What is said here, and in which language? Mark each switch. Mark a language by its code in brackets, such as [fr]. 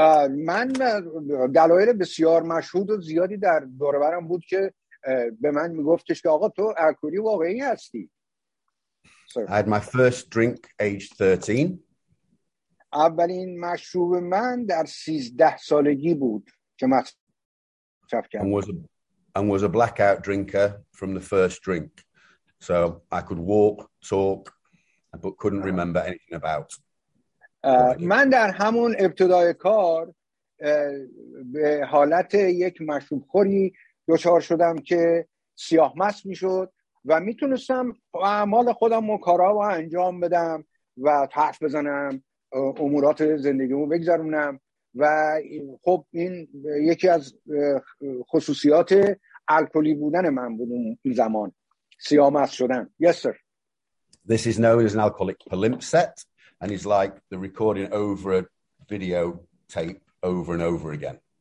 [fa] من دلایل بسیار مشهود و زیادی در دور برم بود که به من میگفتش که آقا تو الکلی واقعی هستی. [en] I had my first drink age 13. [fa] اولین مشروب من در 13 سالگی بود که مصرف کردم. [en] And was a blackout drinker from the first drink. So I could walk, talk, but couldn't remember anything about. [fa] من در همون ابتدای کار به حالت یک مشروب خوری دچار شدم که سیاه مست میشد و میتونستم اعمال خودم و کارها رو انجام بدم و حرف بزنم، امورات زندگیمو بگذرونم و خب این یکی از خصوصیات الکلی بودن من بود اون زمان، سیاه مست شدن. [en] Yes sir. This is known as an alcoholic palimpsest and is like the recording over a video tape over and over again.